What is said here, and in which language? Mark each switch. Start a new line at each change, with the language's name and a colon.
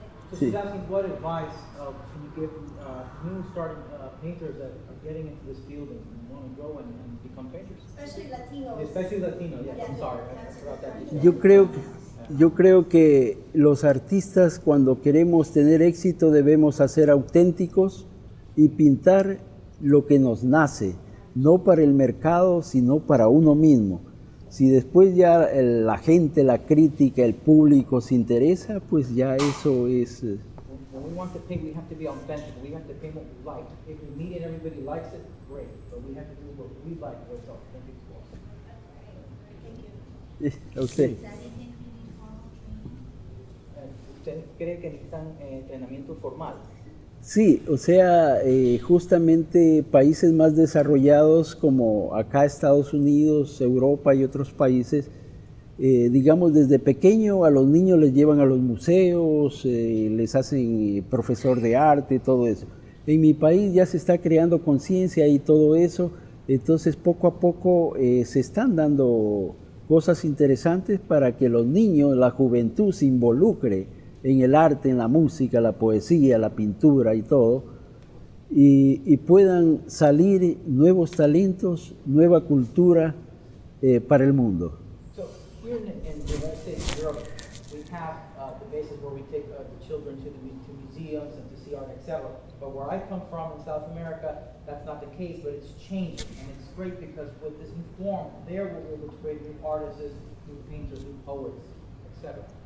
English: So she's asking what advice can you give new starting painters that are getting into this field and want to go and become painters? Especially Latinos. Especially Latino, yeah. I'm sorry, I forgot that.
Spanish: Yo creo que los artistas, cuando queremos tener éxito, debemos ser auténticos y pintar lo que nos nace, no para el mercado, sino para uno mismo. Si después ya la gente, la crítica, el público se interesa, pues ya eso es.
English: When we want to paint, we have to be authentic. We have to paint what we like. If we meet and everybody likes it, great. But we have to do what we like, what's authentic for us. Thank you. Okay.
Spanish: ¿Usted cree que necesitan entrenamiento formal? Sí, o sea, justamente países más desarrollados como acá Estados Unidos, Europa y otros países, digamos desde pequeño a los niños les llevan a los museos, les hacen profesor de arte, todo eso. En mi país ya se está creando conciencia y todo eso, entonces poco a poco se están dando cosas interesantes para que los niños, la juventud se involucre en el arte, en la música, la poesía, la pintura y todo, y puedan salir nuevos talentos, nueva cultura para el mundo.
English: So, here in the United States, Europe, we have the bases where we take the children to museums and to see art, etc. But where I come from in South America, that's not the case, but it's changing. And it's great because with this new form, there we're able to create new artists, new painters, new poets, etc.